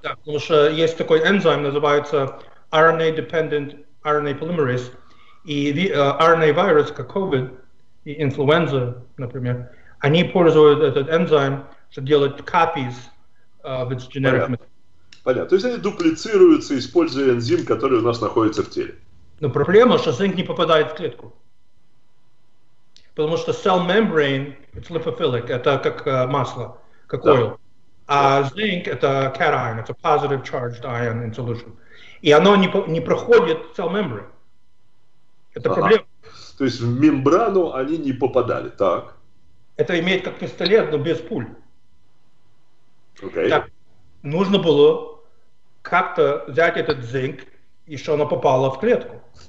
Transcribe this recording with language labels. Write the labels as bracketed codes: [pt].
[ru] Да, потому что есть такой энзим, называется RNA-dependent RNA polymerase, и RNA-вирус, как COVID, и influenza, например, они пользуют этот энзим, чтобы делать [en] copies of its genetic material. [ru] Понятно. То есть они дуплицируются, используя энзим, который у нас находится в теле. Но проблема, что зинк не попадает в клетку. Потому что [en] cell membrane, it's lipophilic, [ru] это как масло, как да. [en] oil. [ru] А зинк это [en] cation, it's a positive charged ion in solution. [ru] И оно не проходит cell membrane. Это проблема. То есть в мембрану они не попадали, так? Это имеет как пистолет, но без пуль. Окей. Так, нужно было как-то взять этот зинк, и что она попала в клетку.